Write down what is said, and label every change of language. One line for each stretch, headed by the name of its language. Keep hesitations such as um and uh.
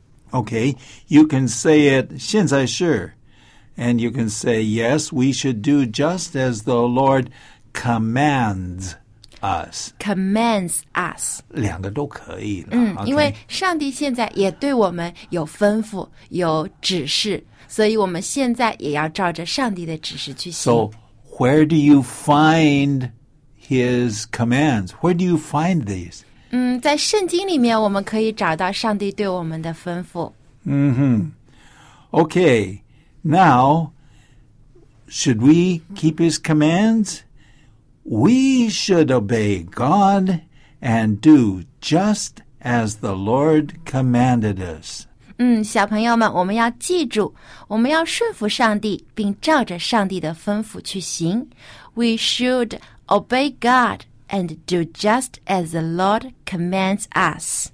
English: Okay, you can say it
Chinese: 现在式，
English: and you can say yes. We should do just as the Lord commands us commands us，两
Chinese: 个都可以。嗯， 因为上帝现在也对我们有吩咐、有指示，所以我们现在也要照着上帝的指示去行。
English: So where do you find his commands? Where do you find these?
Chinese: 嗯，在圣经里面，我们可以找到上帝对我们的吩咐。嗯哼、mm hmm.，OK，now、okay.
English: should we keep his commands? we should obey God and do just as the Lord commanded us.
Chinese: 嗯，小朋友们，我们要记住，我们要顺服上帝，并照着上帝的吩咐去行。
English: We should obey God and do just as the Lord commands us.